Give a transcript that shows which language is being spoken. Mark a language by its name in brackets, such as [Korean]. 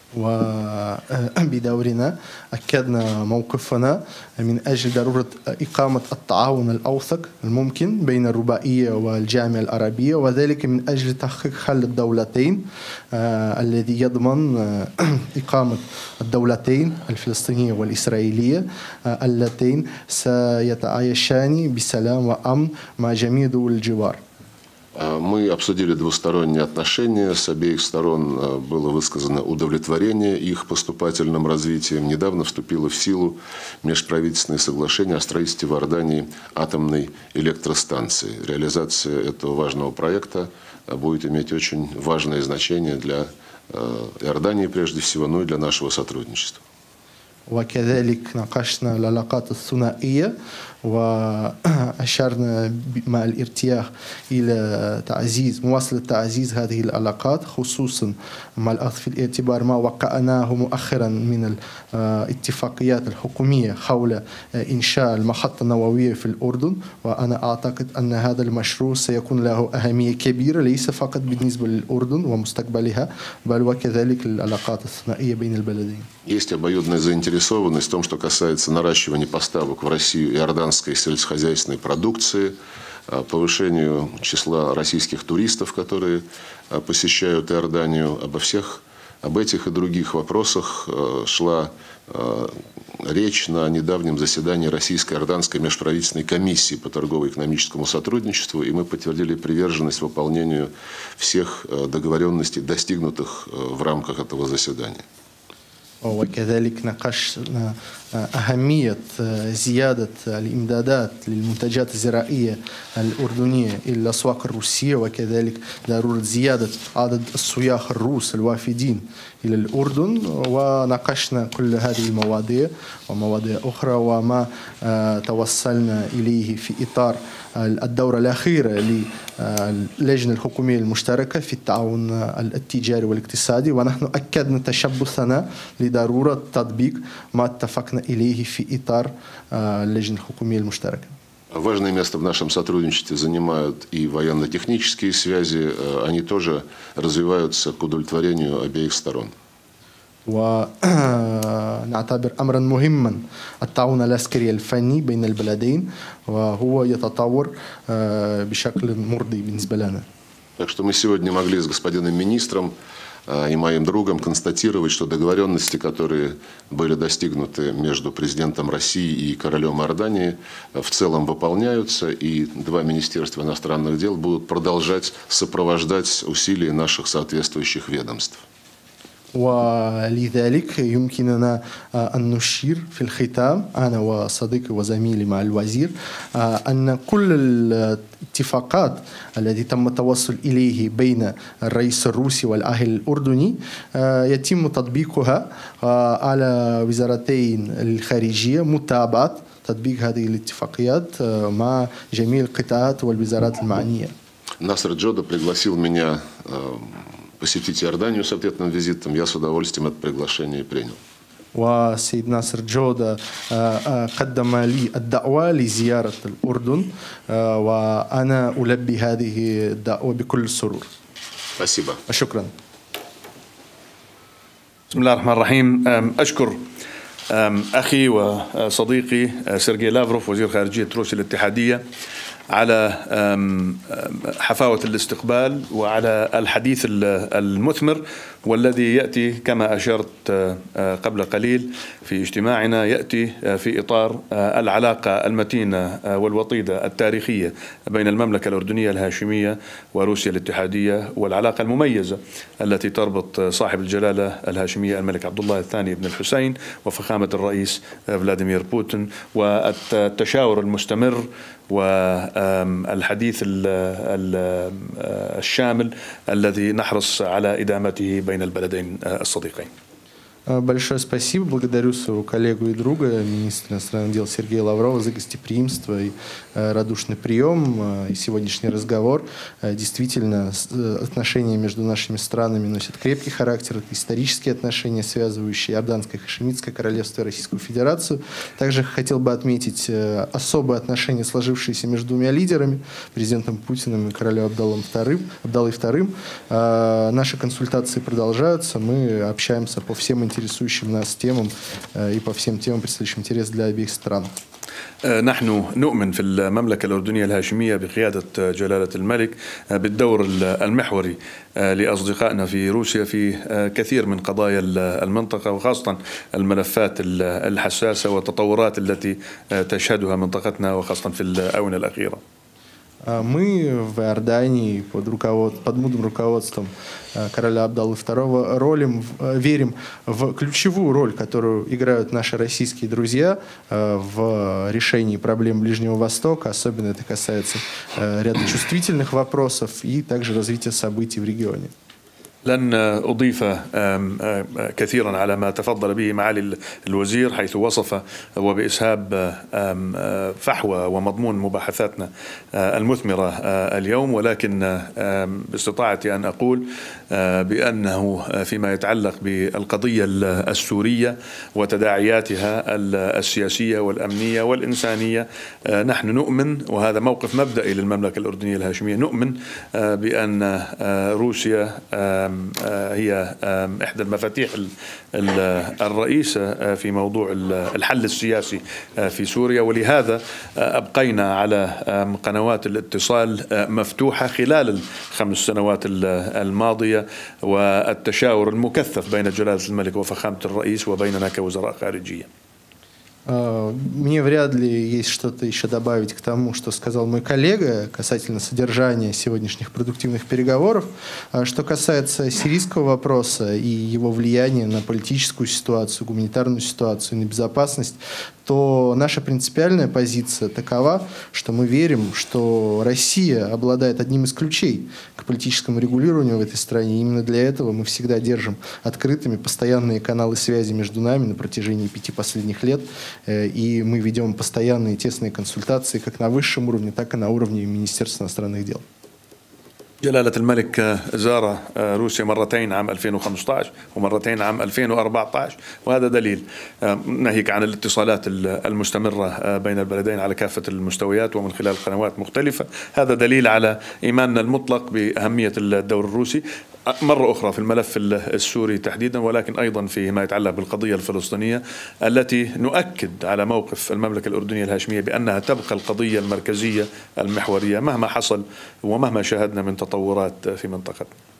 [Arabic] وبدورنا أكدنا موقفنا من أجل ضرورة إقامة التعاون الأوثق الممكن بين الرباعية والجامعة العربية وذلك من أجل تحقيق حل الدولتين الذي يضمن إقامة الدولتين الفلسطينية والإسرائيلية اللتين سيتعايشان بسلام وأمن مع جميع دول الجوار. [Russian] Мы обсудили двусторонние отношения, с обеих сторон было высказано удовлетворение их поступательным развитием. Недавно вступило в силу межправительственное соглашение о строительстве в Иордании атомной электростанции. Реализация этого важного проекта будет иметь очень важное значение для Иордании прежде всего, но и для нашего сотрудничества. [Arabic] وكذلك ناقشنا العلاقات الثنائية وأشرنا مع الارتياح إلى تعزيز مواصلة تعزيز هذه العلاقات خصوصا مع الأخذ في الاعتبار ما وقعناه مؤخرا من الاتفاقيات الحكومية حول إنشاء المحطة النووية في الأردن وأنا أعتقد أن هذا المشروع سيكون له أهمية كبيرة ليس فقط بالنسبة للأردن ومستقبلها بل وكذلك العلاقات الثنائية بين البلدين. [Russian] В том, что касается наращивания поставок в Россию иорданской сельскохозяйственной продукции, повышению числа российских туристов, которые посещают Иорданию. Об этих и других вопросах шла речь на недавнем заседании Российско-Иорданской межправительственной комиссии по торгово-экономическому сотрудничеству, и мы подтвердили приверженность выполнению всех договоренностей, достигнутых в рамках этого заседания. [Arabic] وكذلك ناقشنا أهمية زيادة الإمدادات للمنتجات الزراعية الأردنية إلى الأسواق الروسية وكذلك ضرورة زيادة عدد السياح الروس الوافدين إلى الأردن وناقشنا كل هذه المواضيع ومواضيع أخرى وما توصلنا إليه في إطار الدورة الأخيرة للجنة الحكومية المشتركة في التعاون التجاري والاقتصادي ونحن أكدنا تشبثنا لضرورة تطبيق ما اتفقنا إليه في إطار اللجنة الحكومية المشتركة. [Russian] Важное место в нашем сотрудничестве занимают и военно-технические связи. Они тоже развиваются к удовлетворению обеих сторон. [Arabic] ونعتبر أمرا مهما التعاون العسكري الفني بين البلدين وهو يتطور بشكل مرضي بالنسبة لنا. [Russian] Так что мы сегодня могли с господином министром и моим другом констатировать, что договоренности, которые были достигнуты между президентом России и королем Иордании, в целом выполняются, и два министерства иностранных дел будут продолжать сопровождать усилия наших соответствующих ведомств. [Arabic] ولذلك يمكننا أن نشير في الختام أنا وصديقي وزميلي مع الوزير أن كل الاتفاقات التي تم التوصل إليه بين الرئيس الروسي والأهل الأردني يتم تطبيقها على وزارتين الخارجية متابعة تطبيق هذه الاتفاقيات مع جميع القطاعات والوزارات المعنية. [Russian] ناصر جودة пригласил меня посетить Иорданию с ответным визитом, я с удовольствием это приглашение принял. [Arabic] وسيد ناصر جودة قدم لي الدعوة لزيارة الأردن وأنا ألبي هذه الدعوة بكل سرور. [Russian] Спасибо. [Arabic] شكرا. بسم الله الرحمن الرحيم. أشكر أخي وصديقي سيرجي لافروف وزير خارجية روسيا الاتحادية على حفاوة الاستقبال وعلى الحديث المثمر والذي يأتي كما أشرت قبل قليل في اجتماعنا يأتي في إطار العلاقة المتينة والوطيدة التاريخية بين المملكة الأردنية الهاشمية وروسيا الاتحادية والعلاقة المميزة التي تربط صاحب الجلالة الهاشمية الملك عبد الله الثاني بن الحسين وفخامة الرئيس فلاديمير بوتين والتشاور المستمر والحديث الشامل الذي نحرص على إدامته بين البلدين الصديقين. [Russian] Большое спасибо. Благодарю своего коллегу и друга, министра иностранных дел Сергея Лаврова, за гостеприимство и радушный прием и сегодняшний разговор. Действительно, отношения между нашими странами носят крепкий характер. Это исторические отношения, связывающие Иорданское и Хашимитское королевство и Российскую Федерацию. Также хотел бы отметить особые отношения, сложившиеся между двумя лидерами, президентом Путиным и королем Абдаллом II, Абдаллой II. Наши консультации продолжаются. Мы общаемся по всем интересующим нас темам и по всем темам, представляющим интерес для обеих стран. [Arabic] نحن نؤمن في المملكة الأردنية الهاشمية بقيادة جلالة الملك بالدور المحوري لأصدقائنا في روسيا في كثير من قضايا المنطقة وخاصة الملفات الحساسة والتطورات التي تشهدها منطقتنا وخاصة في الآونة الأخيرة. [Russian] Мы в Иордании под мудрым руководством короля Абдаллы II верим в ключевую роль, которую играют наши российские друзья в решении проблем Ближнего Востока, особенно это касается ряда чувствительных вопросов и также развития событий в регионе. [Arabic] لن أضيف كثيرا على ما تفضل به معالي الوزير حيث وصف وبإسهاب فحوى ومضمون مباحثاتنا المثمرة اليوم ولكن باستطاعتي أن أقول بأنه فيما يتعلق بالقضية السورية وتداعياتها السياسية والأمنية والإنسانية نحن نؤمن وهذا موقف مبدئي للمملكة الأردنية الهاشمية نؤمن بأن روسيا هي إحدى المفاتيح الرئيسة في موضوع الحل السياسي في سوريا، ولهذا أبقينا على قنوات الاتصال مفتوحة خلال الخمس سنوات الماضية، والتشاور المكثف بين جلالة الملك وفخامة الرئيس وبيننا كوزراء خارجية. [Russian] Мне вряд ли есть что-то еще добавить к тому, что сказал мой коллега касательно содержания сегодняшних продуктивных переговоров. Что касается сирийского вопроса и его влияния на политическую ситуацию, гуманитарную ситуацию, на безопасность, то наша принципиальная позиция такова, что мы верим, что Россия обладает одним из ключей к политическому регулированию в этой стране. Именно для этого мы всегда держим открытыми постоянные каналы связи между нами на протяжении 5 последних лет. И мы ведем постоянные тесные консультации как на высшем уровне, так и на уровне Министерства иностранных дел. [Arabic] جلالة الملك زار روسيا مرتين عام 2015 ومرتين عام 2014، وهذا دليل ناهيك عن الاتصالات المستمرة بين البلدين على كافة المستويات ومن خلال قنوات مختلفة. هذا دليل على إيماننا المطلق بأهمية الدور الروسي مرة أخرى في الملف السوري تحديدا، ولكن أيضا في ما يتعلق بالقضية الفلسطينية التي نؤكد على موقف المملكة الأردنية الهاشمية بأنها تبقى القضية المركزية المحورية مهما حصل ومهما شاهدنا من تطورات في منطقتنا.